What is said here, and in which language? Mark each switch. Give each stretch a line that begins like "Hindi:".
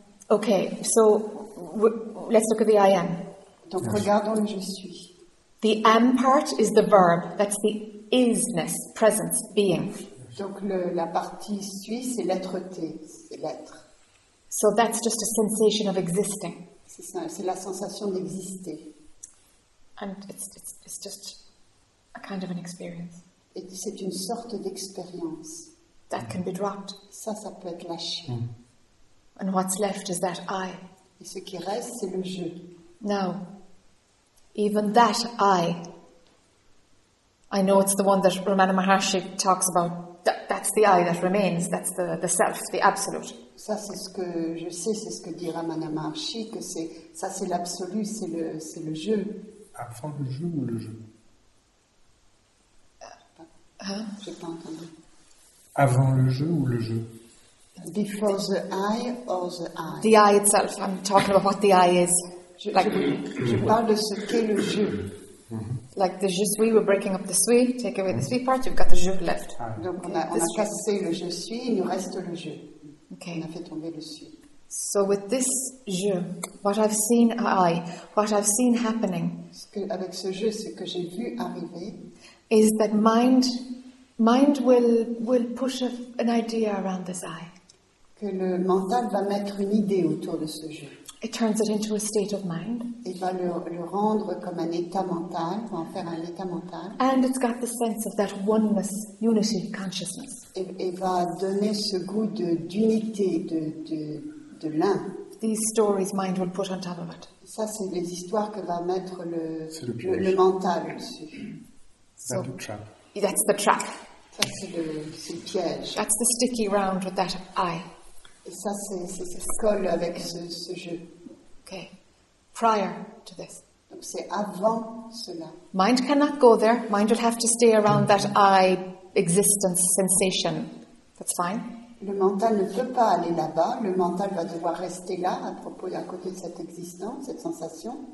English: Okay, so let's look at the I am.
French: Donc regardons le je suis.
English: The am part is the verb, that's the isness, presence, being.
French: Donc la partie suis, c'est l'être-té, c'est l'être.
English: So that's just a sensation of existing.
French: C'est ça, c'est la sensation d'exister.
English: And it's just a kind of an experience.
French: Et c'est une sorte d'expérience.
English: That can be dropped.
French: Ça peut être lâché. Mm.
English: And what's left is that I.
French: Et ce qui reste, c'est le je.
English: Now, even that I know it's the one that Ramana Maharshi talks about. That's the I that remains. That's the self, the absolute.
French: Ça c'est ce que je sais, c'est ce que dit Ramana Maharshi, que c'est ça c'est l'absolu, c'est le jeu. Avant le jeu ou le jeu? J'ai pas entendu. Avant le jeu ou le jeu?
English: Before the I or the I? The I itself. I'm talking about what the I is.
French: Je parle de ce qu'est le jeu.
English: Mm-hmm. Like the je suis, we're breaking up the suis, take away the suis part, you've got the je left.
French: Donc on a cassé le je suis, il nous reste le je.
English: Okay.
French: On a fait tomber le suis.
English: So with this je, what I've seen happening,
French: avec ce je, ce que j'ai vu arriver,
English: is that mind will push an idea around this I.
French: Que le mental va mettre une idée autour de ce je.
English: It turns it into a state of mind.
French: Il va le rendre comme un état mental, pour en faire un état mental.
English: And it's got the sense of that oneness, unity, consciousness.
French: Et va donner ce goût d'unité, de l'un.
English: These stories mind will put on top of it.
French: Ça, c'est les histoires que va mettre le mental dessus.
English: That's the trap.
French: Ça, c'est le piège.
English: That's the sticky round with that I.
French: Et ça, c'est ce colle avec ce jeu.
English: Okay. Prior to this.
French: Donc c'est avant cela.
English: Mind cannot go there. Mind will have to stay around that I existence sensation. That's fine.
French: Le mental ne peut pas aller là-bas. Le mental va devoir rester là à côté de cette existence, cette sensation.